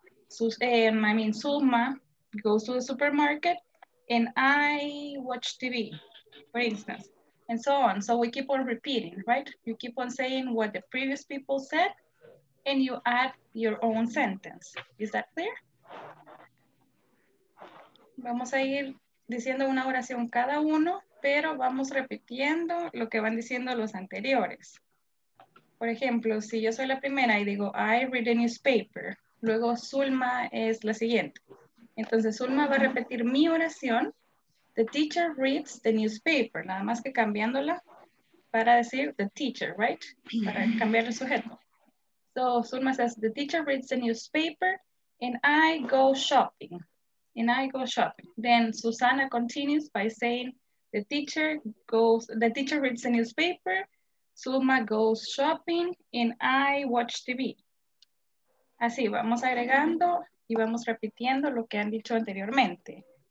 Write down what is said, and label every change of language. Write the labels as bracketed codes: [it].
[en] Zulma goes to the supermarket and I watch TV, for instance, and so on. So we keep on repeating, right? You keep on saying what the previous people said and you add your own sentence. Is that clear? [es] Vamos a ir diciendo una oración cada uno, pero vamos repitiendo lo que van diciendo los anteriores. Por ejemplo, si yo soy la primera y digo, [en] I read a newspaper, [es] luego Zulma es la siguiente. Entonces Zulma va a repetir mi oración, [en] the teacher reads the newspaper, [es] nada más que cambiándola para decir [en] the teacher, right? [es] Para cambiar el sujeto. [en] So Zulma says, the teacher reads the newspaper and I go shopping. And I go shopping. Then Susana continues by saying, the teacher reads the newspaper, Zulma goes shopping and I watch TV. [es] Así, vamos agregando y vamos repitiendo lo que han dicho anteriormente.